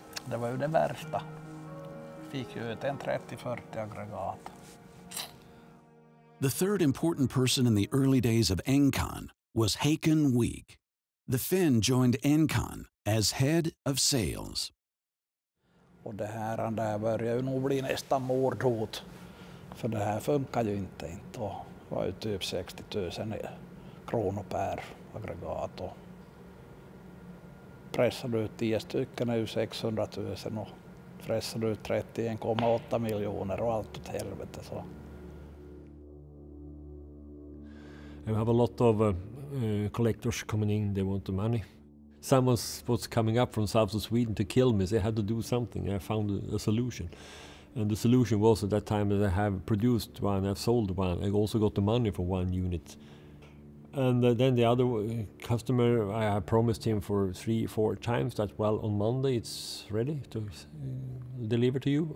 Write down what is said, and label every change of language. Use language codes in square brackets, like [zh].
[sv] Det var ju det värsta. Fick ju ett 30-40 aggregat. [en] The third important person in the early days of engcon was Haken Wieg. The Finn joined engcon as head of sales. [sv] Och det här där börjar ju nog bli nästa mordhot. För det här funkar ju inte. Och det var ju typ 60 000 kronor per aggregat. Och pressade ut 10 stycken är ju 600 000. Och pressade ut 31,8 miljoner och allt åt helvete. Så. [en] We have a lot of collectors coming in, they want the money. Someone was coming up from south of Sweden to kill me. They had to do something. I found a solution. And the solution was at that time that I have produced one, I've sold one. I also got the money for one unit. And then the other customer, I promised him for 3-4 times that, well, on Monday it's ready to deliver to you.